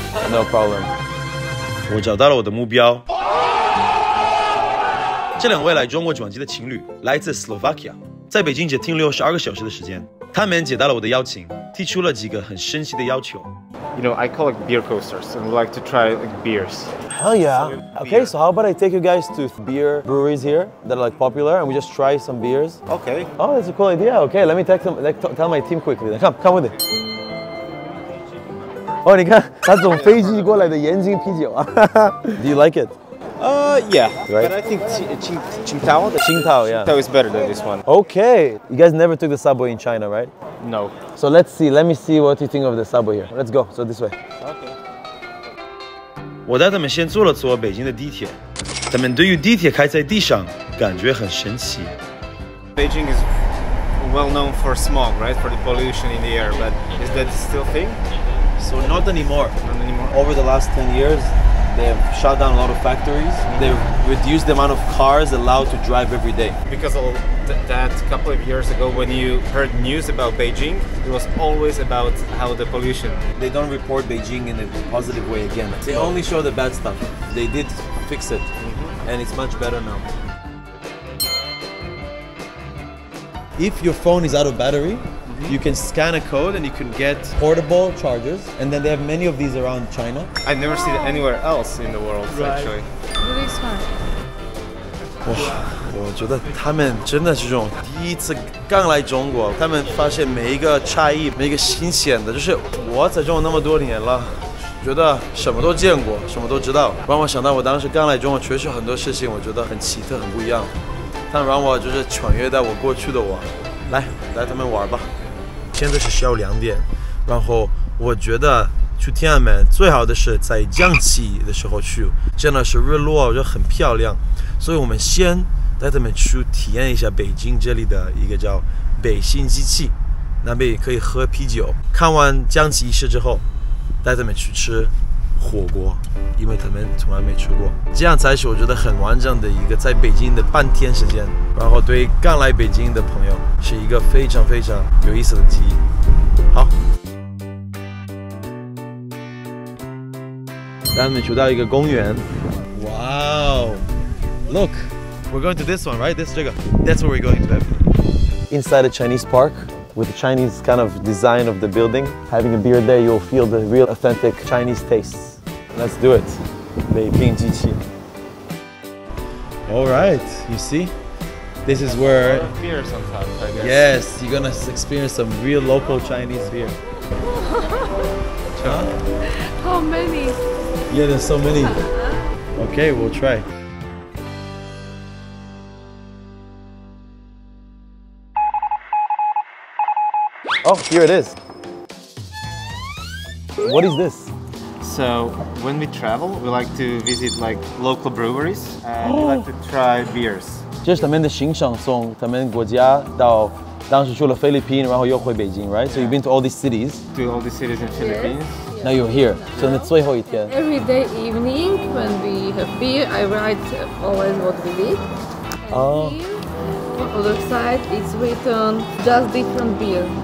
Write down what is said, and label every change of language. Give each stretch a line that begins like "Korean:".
English: No problem.
Chinese: 我找到了我的目标。这两位来中国转机的情侣来自 Slovakia， 在北京只停留12个小时的时间。他们接到了我的邀请，提出了几个很神奇的要求。
English: You know, I call it beer coasters, and we like to try like beers. Hell yeah! Okay, so how about I take you guys to beer breweries here that are like popular, and we just try some beers? Okay. Oh, that's a cool idea. Okay, let me text them, like, tell my team quickly. Come, come with it.
Chinese: 哦，你看，他从飞机过来的盐津啤酒啊。
English: Do you like it? Yeah. Right. But I think Qingdao. Qingdao, yeah. Qingdao is better than this one. Okay. You guys never took the subway in China, right? No. So let's see. Let me see what you think of the subway here. Let's go. So this way. Okay.
Chinese: 我带他们先坐了坐北京的地铁。他们对于地铁开在地上感觉很神奇。
English: Beijing is well known for smog, right? For the pollution in the air. But is that still thing? So not anymore. Not anymore. Over the last 10 years, they have shut down a lot of factories. They reduced the amount of cars allowed to drive every day. Because of that couple of years ago, when you heard news about Beijing, it was always about how the pollution. They don't report Beijing in a positive way again. They only show the bad stuff. They did fix it, and it's much better now. If your phone is out of battery,You can scan a code and you can get portable chargers. And then they have many of these around China. I've never seen it anywhere else in the world, actually. Really smart.
Chinese: 哇，我觉得他们真的是这种第一次刚来中国，他们发现每一个差异，每一个新鲜的，就是我在中国那么多年了，觉得什么都见过，什么都知道，让我想到我当时刚来中国，确实很多事情我觉得很奇特，很不一样。他们让我就是穿越到我过去的我，来，带他们玩吧。现在是下午两点，然后我觉得去天安门最好的是在降旗的时候去，真的是日落，我觉得很漂亮。所以我们先带他们去体验一下北京这里的一个叫北新机器，那边可以喝啤酒。看完降旗仪式之后，带他们去吃火锅，因为他们从来没吃过，这样才是我觉得很完整的一个在北京的半天时间。然后对刚来北京的朋友，是一个非常非常有意思的记忆。好，带他们去到一个公园。
English: 哇哦 ，Look， we're going to this one, right? This
Chinese: 这个
English: ，That's where we're going to. Inside a Chinese park. With the Chinese kind of design of the building, having a beer there, you'll feel the real authentic Chinese taste. Let's do it. Beijing Capital. All right, you see? This is where... A lot of beer sometimes, I guess. Yes, you're gonna experience some real local Chinese beer. Huh? How many? Yeah, there's so many. Okay, we'll try. Oh, here it is. What is this? So, when we travel, we like to visit like local breweries, and we like to try beers.
Chinese: 这是他们的行程，从他们国家到当时去了菲律宾，然后又回北京 ，
English: right？ So you've been to all these cities. To all these cities in Philippines. Yes. Now you're here. So the
Chinese: 最后一天
English: Every day evening when we have beer, I write always what we did. Oh. On the other side, it's written just different beer.